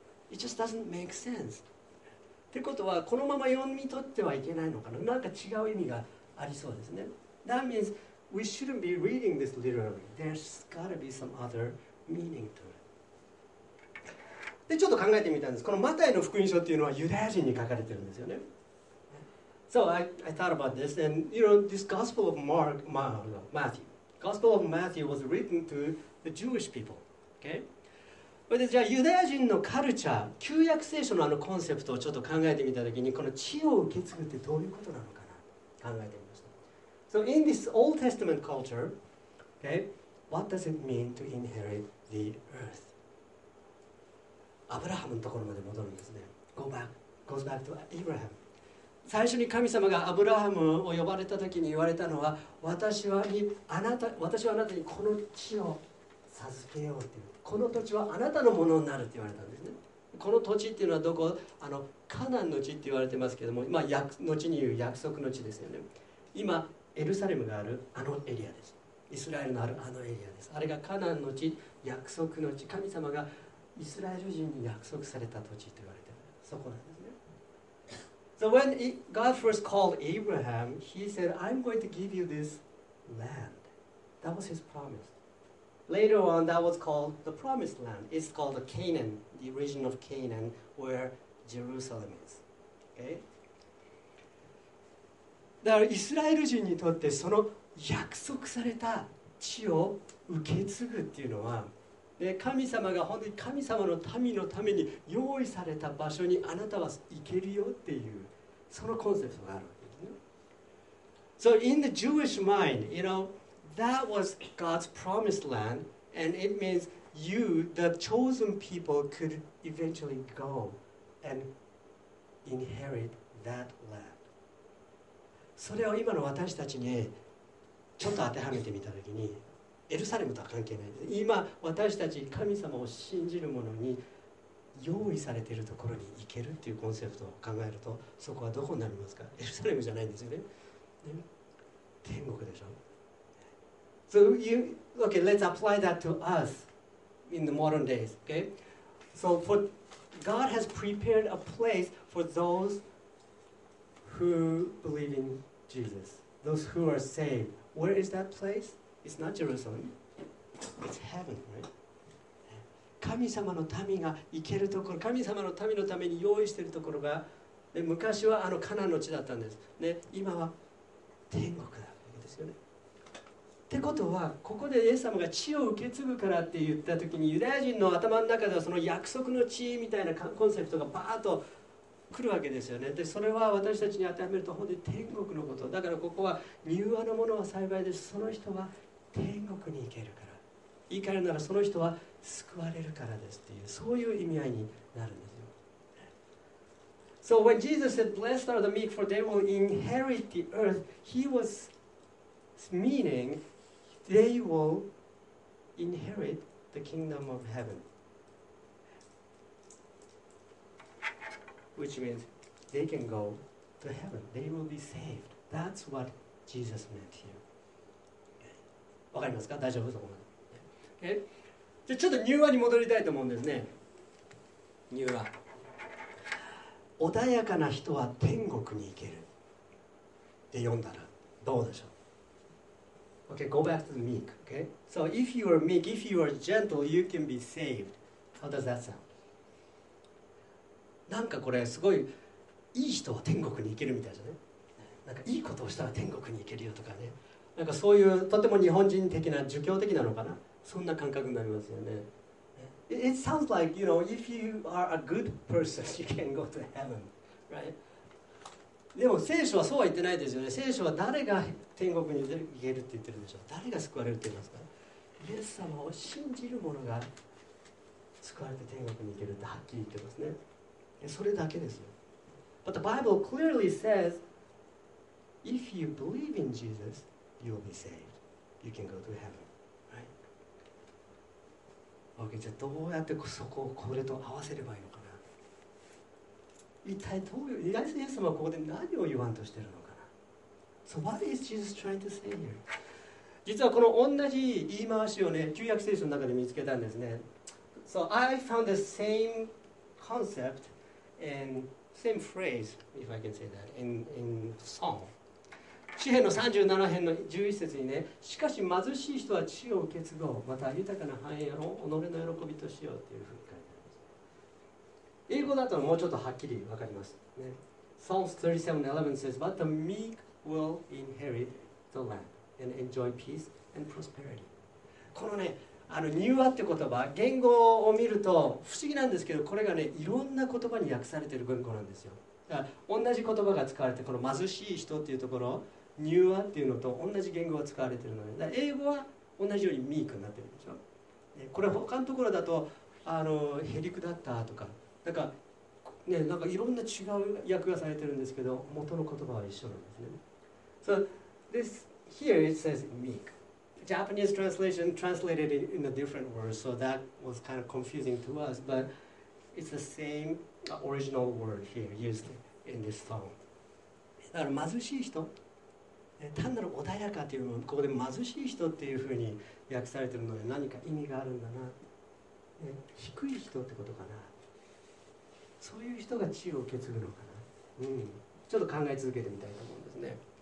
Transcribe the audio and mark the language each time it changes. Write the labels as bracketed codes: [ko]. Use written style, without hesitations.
[en] It just doesn't make sense. [ja] ってことは、このまま読み取ってはいけないのかな。なんか違う意味がありそうですね。 [en] That means we shouldn't be reading this literally. There's got to be some other meaning to it. [ja] で、ちょっと考えてみたんです。このマタイの福音書っていうのはユダヤ人に書かれてるんですよね。 [en] So I thought about this, and you know, this Gospel of Mark, Matthew, Gospel of Matthew was written to the Jewish people. Okay? [ja] それでじゃあユダヤ人のカルチャー、旧約聖書のあのコンセプトをちょっと考えてみたときに、この地を受け継ぐってどういうことなのかな、考えてみました。 [en] So in this Old Testament culture, okay, what does it mean to inherit the earth? [ja] アブラハムのところまで戻るんですね。 [en] goes back to Abraham. [ja] 最初に神様がアブラハムを呼ばれた時に言われたのは、私はあなたにこの地を授けようっていう。この土地はあなたのものになるって言われたんですね。この土地っていうのはどこ？あのカナンの地って言われてますけども、まあ後に言う約束の地ですよね。今エルサレムがあるあのエリアです。イスラエルのあるあのエリアです。あれがカナンの地、約束の地。神様がイスラエル人に約束された土地と言われている。そこなんですね。 [en] So when God first called Abraham, he said, I'm going to give you this land. That was his promise. Later on, that was called the promised land. It's called the Canaan, the region of Canaan, where Jerusalem is. Okay? [ja] だからイスラエル人にとってその約束された地を受け継ぐっていうのは、で神様が本当に神様の民のために用意された場所にあなたは行けるよっていう、そのコンセプトがあるわけですね。 [en] So in the Jewish mind, you know, that was God's promised land, and it means you, the chosen people, could eventually go and inherit that land. [ja] それを今の私たちにちょっと当てはめてみたときに、エルサレムとは関係ないです。今私たち神様を信じる者に用意されているところに行けるっていうコンセプトを考えると、そこはどこになりますか。エルサレムじゃないんですよね。天国でしょ。 [en] So you, okay, let's apply that to us in the modern days, okay? So for God has prepared a place for thoseWho believe in Jesus? Those who are saved. Where is that place? It's not Jerusalem. It's heaven, right? [ja] 神様の民が行けるところ、神様の民のために用意しているところが、ね、昔はあのカナンの地だったんです。ね、今は天国だわけですよね。ってことは、ここでイエス様が地を受け継ぐからって言ったときに、ユダヤ人の頭の中ではその約束の地みたいなコンセプトがバーッと来るわけですよね。でそれは私たちに当てはめると本当に天国のことだから、ここは柔和のものは幸いです、その人は天国に行けるから、言い換えるならその人は救われるからですっていう、そういう意味合いになるんですよ。 [en] So when Jesus said blessed are the meek for they will inherit the earth, he was meaning they will inherit the kingdom of heaven. Which means they can go to heaven. They will be saved. That's what Jesus meant here. [ja] わかりますか？大丈夫そこまで。Okay? じゃちょっと柔和に戻りたいと思うんですね。柔和。穏やかな人は天国に行ける。って読んだらどうでしょう？ [en] Okay, go back to the meek. Okay? So if you are meek, if you are gentle, you can be saved. How does that sound? [ja] なんかこれすごいいい人は天国に行けるみたいじゃない？なんかいいことをしたら天国に行けるよとかね、なんかそういうとても日本人的な儒教的なのかな、そんな感覚になりますよね。 [en] It sounds like, you know, if you are a good person, you can go to heaven, right? [ja] でも聖書はそうは言ってないですよね。聖書は誰が天国に行けるって言ってるんでしょう。誰が救われるって言いますか？イエス様を信じる者が救われて天国に行けるってはっきり言ってますね。それだけですよ。 [en] But the Bible clearly says, if you believe in Jesus, you will be saved. You can go to heaven. Right? [ja] Okay, じゃあどうやってそこをこれと合わせればいいのかな。一体どういう、イエス様はここで何を言わんとしてるのかな。 [en] So what is Jesus trying to say here? [ja] 実はこの同じ言い回しをね、旧約聖書の中で見つけたんですね。 [en] So I found the same concept. And same phrase, if I can say that, in Psalm. [ja] 詩編の37編の11節にね、しかし貧しい人は地を受け継ごう、また豊かな繁栄を己の喜びとしようっていうふうに書いてあります。英語だともうちょっとはっきりわかります、ね。 [en] Psalms 37:11 says, But the meek will inherit the land and enjoy peace and prosperity. [ja] このね、あの柔和って言葉、言語を見ると不思議なんですけど、これがね、いろんな言葉に訳されている文語なんですよ。だから同じ言葉が使われて、この貧しい人っていうところ、柔和っていうのと同じ言語が使われているので、だから英語は同じようにミークになってるんですよ。これ他のところだと、へりくだったとか、なんか、ね、なんかいろんな違う訳がされているんですけど、元の言葉は一緒なんですね。 [en] So, this here it says meek. Japanese translation translated it in a different word, so that was kind of confusing to us, but it's the same original word here used in this song. [ja] だから貧しい人、単なる穏やかというのをここで貧しい人っていうふうに訳されているので何か意味があるんだな。低い人ってことかな。そういう人が地を受け継ぐのかな。ちょっと考え続けてみたいと思うんですね。